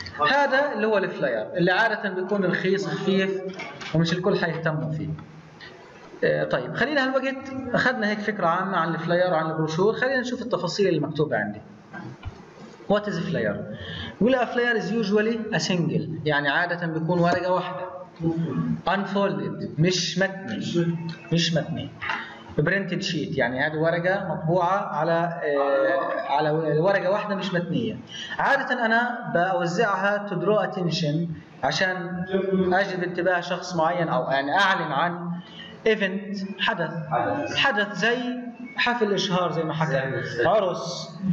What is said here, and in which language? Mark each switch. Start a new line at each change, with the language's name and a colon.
Arabic: هذا اللي هو الفلاير اللي عادة بيكون رخيص خفيف ومش الكل حيهتم فيه. طيب خلينا هالوقت أخذنا هيك فكرة عامة عن الفلاير وعن البروشور، خلينا نشوف التفاصيل المكتوبة عندي.
English: What is a flyer؟
Arabic: يقول
English: a flyer is usually a single،
Arabic: يعني عادة بيكون ورقة واحدة.
English: Unfolded،
Arabic: مش متني، مش متني.
English: Printed sheet،
Arabic: يعني هذه ورقة مطبوعة على على ورقة واحدة مش متنية. عادة أنا بوزعها
English: to draw attention
Arabic: عشان أجذب انتباه شخص معين، أو يعني أعلن عن event، حدث، حدث زي حفل إشهار زي ما حكى، عرس،